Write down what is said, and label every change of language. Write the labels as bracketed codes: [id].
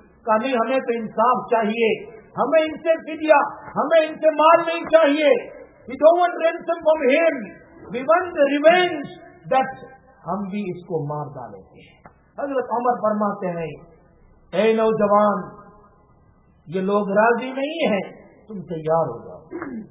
[ur] کہا نہیں, ہمیں تو انصاف چاہیے, ہمیں ان سے فدیہ, ہمیں ان سے مال نہیں چاہیے. [en] We don't want ransom from him. We want the revenge that [ur] ہم بھی اس کو مار ڈالیں گے. حضرت عمر فرماتے ہیں, اے نوجوان, یہ لوگ راضی نہیں ہیں, تم تیار ہو جاؤ.